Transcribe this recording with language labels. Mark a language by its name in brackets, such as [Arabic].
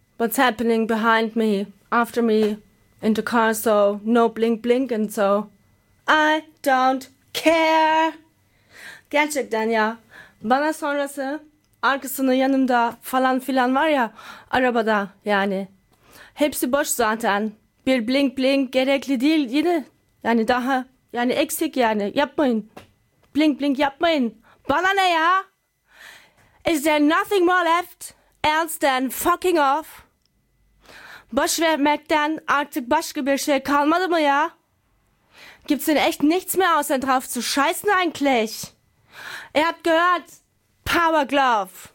[English] What's happening behind me, after me, in the car, so no blink blink and so. I don't care. [Turkish] Gerçekten ya. Bana sonrası arkasında yanımda falan filan var ya, arabada yani. Hepsi boş zaten. Bir blink blink gerekli değil yine. Yani daha yani eksik yani. Yapmayın. Blink blink yapmayın. Bana ne ya? [English] Is there nothing more left? Else than fucking off. [Turkish] Boş vermekten artık başka bir şey kalmadı mı ya? [German] Gibt's denn echt nichts mehr außer drauf zu scheißen eigentlich? Ihr habt gehört, Power Glove.